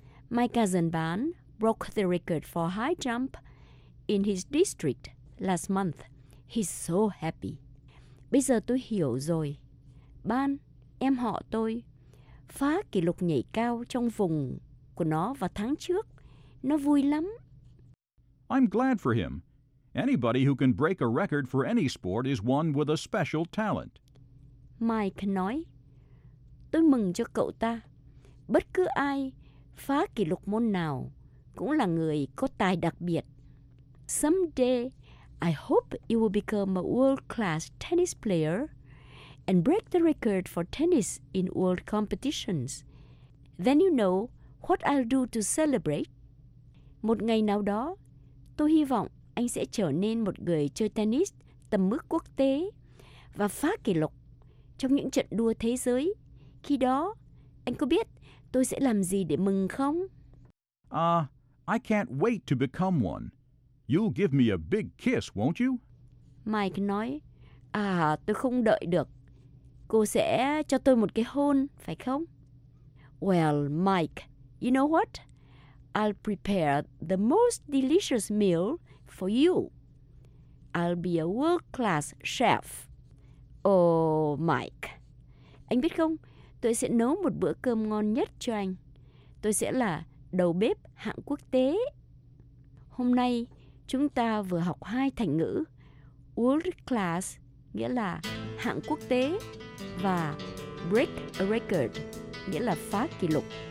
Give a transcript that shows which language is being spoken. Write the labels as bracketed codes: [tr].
[en] My cousin Ban broke the record for high jump in his district last month. He's so happy. [vi] Bây giờ tôi hiểu rồi. Ban, em họ tôi, phá kỷ lục nhảy cao trong vùng của nó vào tháng trước. Nó vui lắm. [en] I'm glad for him. Anybody who can break a record for any sport is one with a special talent. [vi] Mike nói, tôi mừng cho cậu ta. Bất cứ ai phá kỷ lục môn nào cũng là người có tài đặc biệt. [en] Someday, I hope you will become a world-class tennis player and break the record for tennis in world competitions. Then you know what I'll do to celebrate. [vi] Một ngày nào đó, tôi hy vọng anh sẽ trở nên một người chơi tennis tầm mức quốc tế và phá kỷ lục trong những trận đua thế giới. Khi đó, anh có biết tôi sẽ làm gì để mừng không? [en] I can't wait to become one. You'll give me a big kiss, won't you? [vi] Mike nói, tôi không đợi được. Cô sẽ cho tôi một cái hôn, phải không? [en] Well, Mike, you know what? I'll prepare the most delicious meal for you. I'll be a world-class chef. Oh, Mike. [vi] Anh biết không, tôi sẽ nấu một bữa cơm ngon nhất cho anh. Tôi sẽ là đầu bếp hạng quốc tế. Hôm nay, chúng ta vừa học hai thành ngữ. World-class nghĩa là hạng quốc tế, và break a record nghĩa là phá kỷ lục.